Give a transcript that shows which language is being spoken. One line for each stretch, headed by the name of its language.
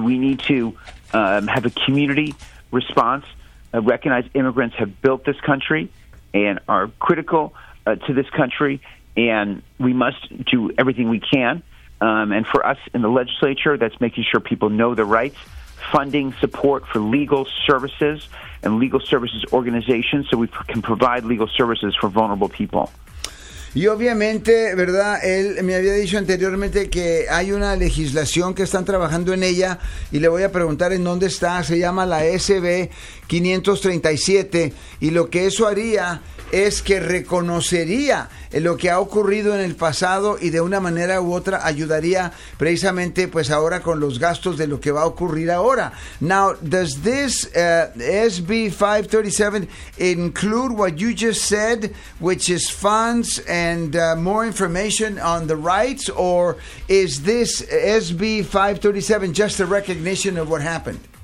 English: We need to have a community response, recognize immigrants have built this country and are critical to this country, and we must do everything we can. And for us in the legislature, that's making sure people know their rights, funding support for legal services and legal services organizations so we can provide legal services for vulnerable people.
Spanish: Y obviamente, ¿verdad? Él me había dicho anteriormente que hay una legislación que están trabajando en ella y le voy a preguntar en dónde está. Se llama la SB 537, y lo que eso haría es que reconocería lo que ha ocurrido en el pasado y de una manera u otra ayudaría precisamente pues ahora con los gastos de lo que va a ocurrir ahora.
English: Now, does this SB 537 include what you just said, which is funds and more information on the rights, or is this SB 537 just a recognition of what happened?